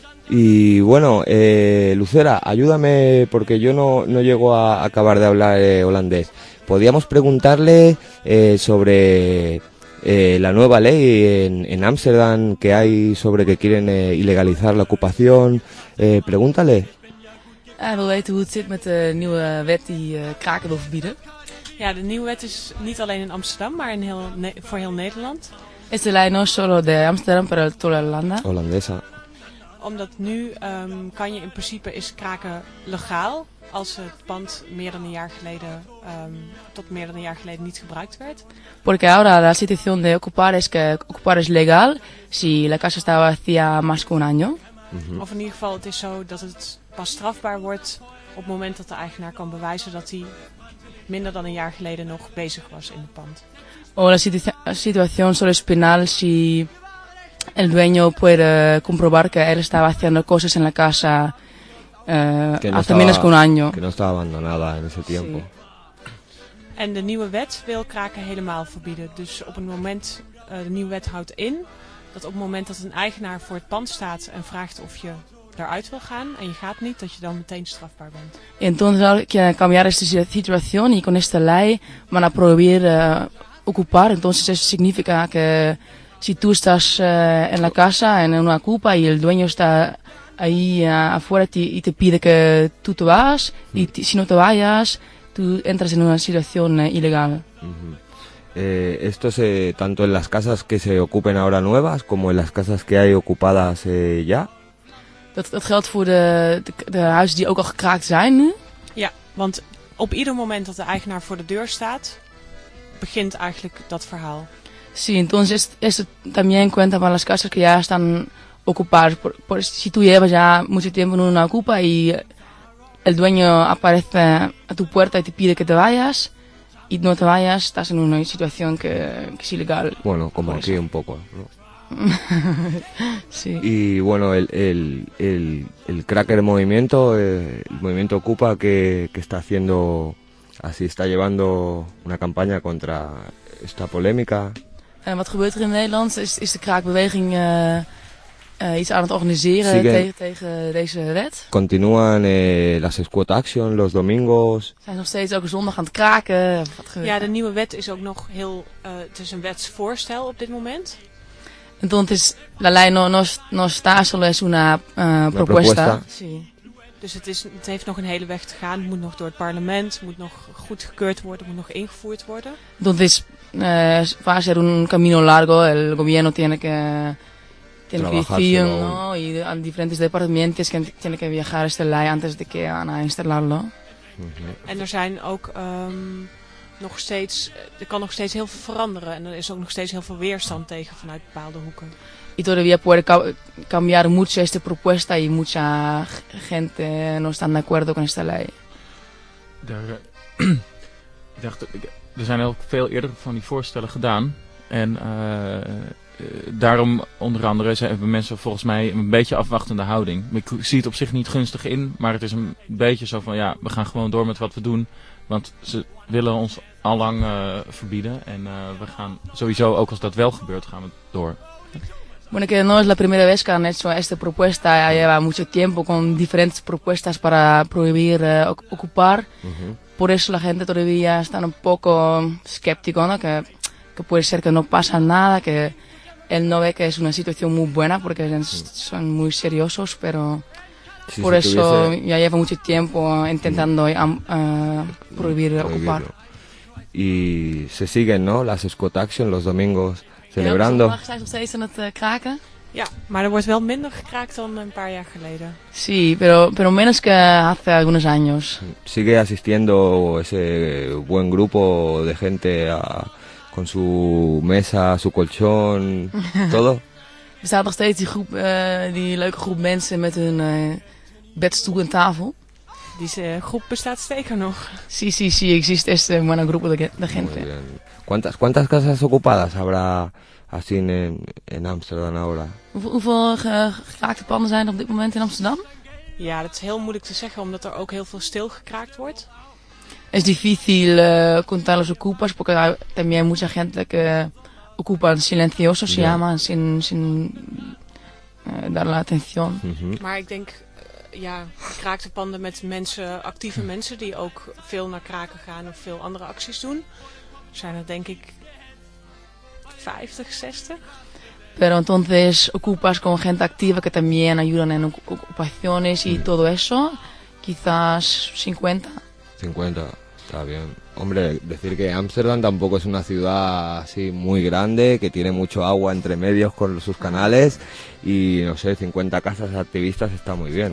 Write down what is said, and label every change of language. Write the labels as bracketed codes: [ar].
[es] Y bueno, Lucera, ayúdame porque yo no llego a acabar de hablar holandés. Podríamos preguntarle sobre la nueva ley en Ámsterdam que hay sobre que quieren ilegalizar la ocupación. Pregúntale. [nl] Wil weten hoe het zit met de nieuwe wet die kraken wil verbieden? Ja, de nieuwe wet is niet alleen in Amsterdam, maar in heel Nederland. [es] Es la ley no solo de Amsterdam, pero toda Holanda. Holandesa. [nl] Omdat nu kan je in principe is kraken legaal als het pand meer dan een jaar geleden tot meer dan een jaar geleden niet gebruikt werd. [es] Porque ahora la situación de ocupar es que ocupar es legal si la casa estaba vacía más que un año. Mm-hmm. [nl] Of in ieder geval, het is zo dat het pas strafbaar wordt op het moment dat de eigenaar kan bewijzen dat hij minder dan een jaar geleden nog bezig was in het pand. [es] O la situación solo es penal si el dueño puede comprobar que él estaba haciendo cosas en la casa hace menos que un año. Que no estaba abandonada en ese tiempo. [nl] En de nieuwe wet wil kraken helemaal verbieden. Dus op het moment, de nieuwe wet houdt in dat op het moment dat een eigenaar voor het pand staat en vraagt of je eruit wil gaan en je gaat niet, dat je dan meteen strafbaar bent. [es] Entonces hay que cambiar esta situación y con esta ley van a prohibir ocupar. Entonces eso significa que si tú estás en la casa, en una ocupa y el dueño está ahí afuera y te pide que tú te vas, y si no te vayas, tú entras en una situación ilegal. Uh-huh. Esto es tanto en las casas que se ocupen ahora nuevas como en las casas que hay ocupadas ya. [nl] Dat geldt voor de huizen die ook al gekraakt zijn nu? Ja, want op ieder moment dat de eigenaar voor de deur staat, begint eigenlijk dat verhaal. [es] Sí, entonces esto también cuenta para las casas que ya están ocupadas. Por si tú llevas ya mucho tiempo en una ocupa y el dueño aparece a tu puerta y te pide que te vayas, y no te vayas, estás en una situación que es ilegal. Bueno, como aquí un poco, ¿no? Sí. Y bueno, el cracker movimiento, el movimiento ocupa que está haciendo, así está llevando una campaña contra esta polémica. [nl] Wat gebeurt er in Nederland? Is de kraakbeweging iets aan het organiseren tegen deze wet? [es] Continúan las squat action los domingos. [nl] Zijn nog steeds elke zondag aan het kraken? Wat ja, de nieuwe wet is ook nog heel, het is een wetsvoorstel op dit moment. [es] Entonces, la ley no está, solo es una propuesta. Sí. [nl] Dus het heeft nog een hele weg te gaan. Het moet nog door het parlement, moet nog goedgekeurd worden, moet nog ingevoerd worden. [es] Entonces, va a ser un camino largo. El gobierno tiene que decir, ¿no? Y a diferentes departamentos que tiene que viajar esta ley antes de que van a instalarlo. Mm-hmm. [nl] En er zijn ook nog steeds, er kan nog steeds heel veel veranderen. En er is ook nog steeds heel veel weerstand tegen vanuit bepaalde hoeken. [es] Y todavía puede cambiar mucho esta propuesta y mucha gente no está de acuerdo con esta ley. [nl] Er zijn al veel eerder van die voorstellen gedaan. En daarom onder andere hebben mensen volgens mij een beetje afwachtende houding. Ik zie het op zich niet gunstig in, maar het is een beetje zo van ja, we gaan gewoon door met wat we doen. Want ze willen ons allang verbieden en we gaan sowieso, ook als dat wel gebeurt, gaan we door. [es] Bueno, que no es la primera vez que han hecho esta propuesta, ya lleva mucho tiempo con diferentes propuestas para prohibir ocupar. Uh-huh. Por eso la gente todavía está un poco escéptica, ¿no? Que puede ser que no pasa nada, que él no ve que es una situación muy buena porque son muy seriosos, pero sí, por eso ya lleva mucho tiempo intentando prohibir ocupar. Y se siguen, ¿no? Las Scott Action los domingos. Celebrando. [nl] Ja, zijn nog steeds aan het kraken. Ja, maar er wordt wel minder gekraakt dan een paar jaar geleden. [es] Sí, pero menos que hace algunos años. Sigue asistiendo ese buen grupo de gente con su mesa, su colchón, todo. [nl] Er staat nog steeds die groep, die leuke groep mensen met hun bedstoel en tafel. Die groep bestaat zeker nog. [es] Sí, sí, sí, existe este buen grupo de gente. ¿Cuántas casas ocupadas habrá así en Amsterdam ahora? [nl] ¿Hoeveel gekraakte panden zijn er op dit moment in Amsterdam? Ja, dat is heel moeilijk te zeggen, omdat er ook heel veel stil gekraakt wordt. [es] Es difícil contar los ocupas, porque también mucha gente que ocupan silencioso se llama, sin dar la atención. Mm-hmm. [nl] Maar ik denk, ja, gekraakte panden met mensen, actieve mensen die ook veel naar kraken gaan of veel andere acties doen. Zijn er denk ik 50, 60. [es] Pero entonces ocupas con gente activa que también ayudan en ocupaciones y todo eso, quizás 50. 50, está bien. Hombre, decir que Ámsterdam tampoco es una ciudad así muy grande, que tiene mucho agua entre medios con sus canales, y no sé, 50 casas activistas está muy bien.